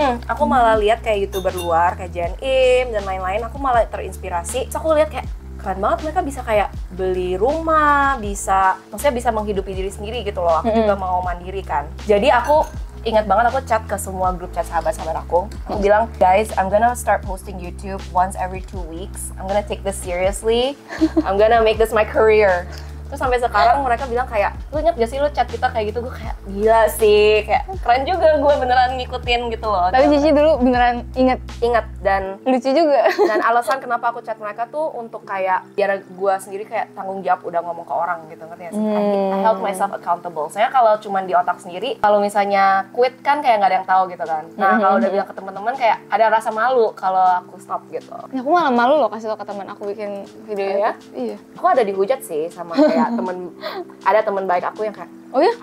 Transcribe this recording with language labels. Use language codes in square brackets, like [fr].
[id] Aku malah lihat kayak YouTuber luar, kayak Jen Im dan lain-lain, aku malah terinspirasi. Terus aku lihat kayak, keren banget mereka bisa kayak beli rumah, bisa, maksudnya bisa menghidupi diri sendiri gitu loh. Aku juga mau mandiri kan. Jadi aku ingat banget aku chat ke semua grup chat sahabat-sahabat aku. Aku bilang, [en] guys, I'm gonna start posting YouTube once every 2 weeks. I'm gonna take this seriously. I'm gonna make this my career. [id] Terus sampai sekarang mereka bilang kayak, lu inget gak sih lu chat kita kayak gitu? Gue kayak, gila sih. Kayak, keren juga gue beneran ngikutin gitu loh. Tapi Cici dulu beneran inget. Ingat dan... Lucu juga. Dan alasan kenapa aku chat mereka tuh untuk kayak, biar gue sendiri kayak tanggung jawab udah ngomong ke orang gitu. Ngerti ya sih? [en] I held myself accountable. [id] Soalnya kalau cuman di otak sendiri, kalau misalnya quit kan kayak gak ada yang tahu gitu kan. Nah kalau udah bilang ke teman-teman kayak ada rasa malu kalau aku stop gitu. Ya aku malah malu loh kasih tau ke teman aku bikin video ya. Iya. Aku ada dihujat sih sama kayak ada teman baik aku yang kayak, oh iya?